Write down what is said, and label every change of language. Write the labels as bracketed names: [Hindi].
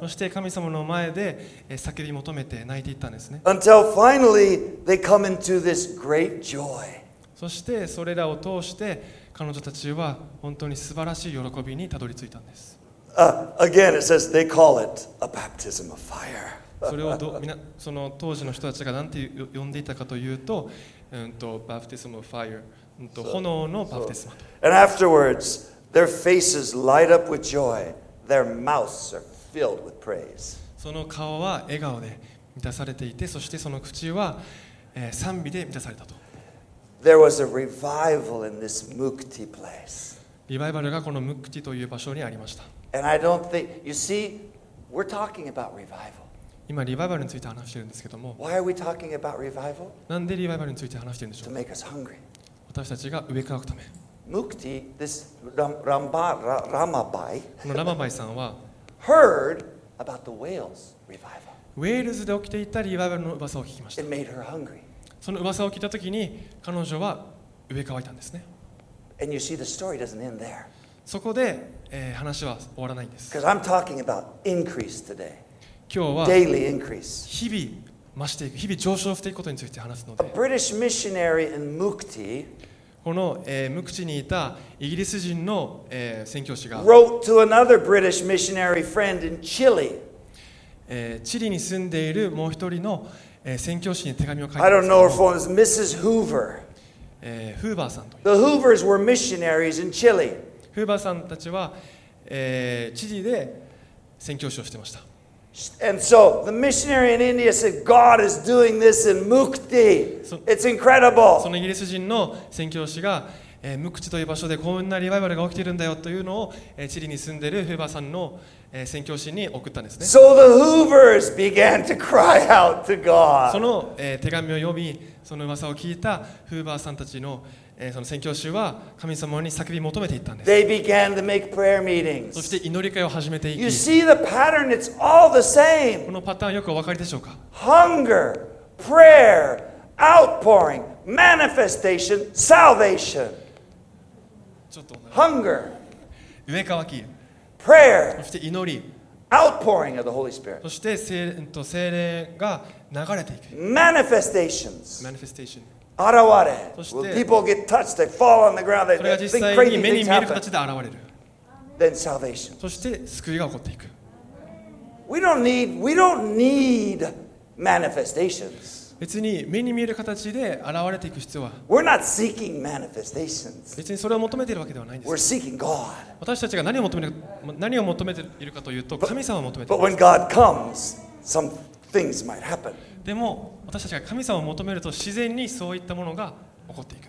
[Japanese] そして神様の前で、叫び求めて泣いていったんですね。 [English] Until finally they come into this great joy. [Japanese] そしてそれらを通して彼女たちは本当に素晴らしい喜びにたどり着いたんです。 [English] Again, it says they call it a baptism of fire. [Japanese] それをその当時の人たちが何て呼んでいたかというと、 [English] baptism of fire、 [Japanese] 炎のバプテスマと。 [English] And afterwards, their faces light up with joy. Their mouths are filled with praise. [Japanese] その顔は笑顔で満たされていて、そしてその口は、賛美で満たされたと。 [English] There was a revival in this Mukti place. [Japanese] リバイバルがこのムクティという場所にありました。 [English] And I don't think, you see, we're talking about revival. [Japanese] 今リバイバルについて話しているんですけども。 [English] Why are we talking about revival? [Japanese] なんでリバイバルについて話しているんでしょう。 [English] To make us hungry. [Japanese] 私たちが飢え渇くため。 [English] Mukti, this Ramabai. [Japanese] このラマバイさんは。 [English] Heard about the Wales revival. [Japanese] ウェールズで起きていたリバイバルの噂を聞きました。 [English] It made her hungry. [Japanese] その噂を聞いたときに彼女は飢え渇いたんですね。 [English] And you see, the story doesn't end there. [Japanese] そこで、話は終わらないんです。 [English] Because I'm talking about increase today. [Japanese] 今日は [English] Daily increase. [Japanese] 日々増していく、日々上昇していくことについて話すので。 [English] A British missionary in Mukti, [Japanese] この、ムクチにいたイギリス人の、宣教師が [English] wrote to another British missionary friend in Chile. [Japanese] チリに住んでいるもう一人の宣教師に手紙を書い [English] た。I don't know her phone. It's Mrs. Hoover. [Japanese] フーバーさんと。 [English] The Hoovers were missionaries in Chile. [Japanese] フーバーさんたちは、知事で宣教師をしてました。 [English] And so the missionary in India said, "God is doing this in Mukti. It's incredible." [Japanese] そのイギリス人の宣教師が、無口という場所でこんなリバイバルが起きているんだよというのを、チリに住んでいるフーバーさんの、宣教師に送ったんですね。 [English] So the Hoovers began to cry out to God. [Japanese] その、手紙を読み、その噂を聞いたフーバーさんたちの、その宣教師は神様に叫び求めていったんです。 [English] They began to make prayer meetings. [Japanese] そして祈り会を始めていき、 [English] You see the pattern, it's all the same. [Japanese] このパターンよくお分かりでしょうか。 [English] Hunger, prayer, outpouring, manifestation, salvation. Hunger, [Japanese] 上渇き、 [English] prayer, [Japanese] そして祈り、 [English] outpouring of the Holy Spirit, [Japanese] そして聖霊が流れていく、 [English] manifestations, manifestation, [Japanese] 現れ、そして [English] Will people get touched, they fall on the ground, they think crazy things happen. [Japanese] それが実際に目に見える形で現れる。 [English] Then salvation, [Japanese] そして救いが起こっていく。 [English] We don't need manifestations. [Japanese] 別に目に見える形で現れていく必要は、 [English] We're not seeking manifestations. [Japanese] 別にそれを求めているわけではないんです。 [English] We're seeking God. [Japanese] 私たちが何を求めているかというと、神様を求めている。 [English] But when God comes, some things might happen. [Japanese] でも私たちが神様を求めると自然にそういったものが起こっていく。